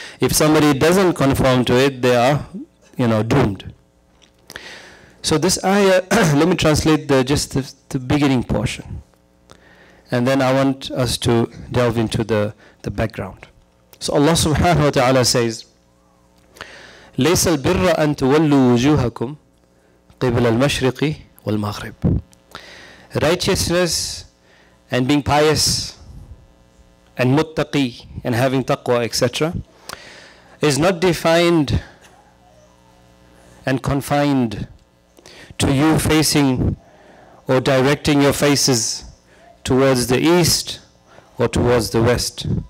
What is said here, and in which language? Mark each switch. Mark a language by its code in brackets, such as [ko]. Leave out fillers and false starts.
[en] If somebody doesn't conform to it, they are, doomed. So this ayah, let me translate the beginning portion. And then I want us to delve into the background. So Allah subhanahu wa ta'ala says, [ar] ليس البر أن تولوا وجوهكم قبل المشرق والمغرب. [en] Righteousness and being pious and muttaqi and having taqwa, etc., is not defined and confined to you facing or directing your faces towards the east or towards the west.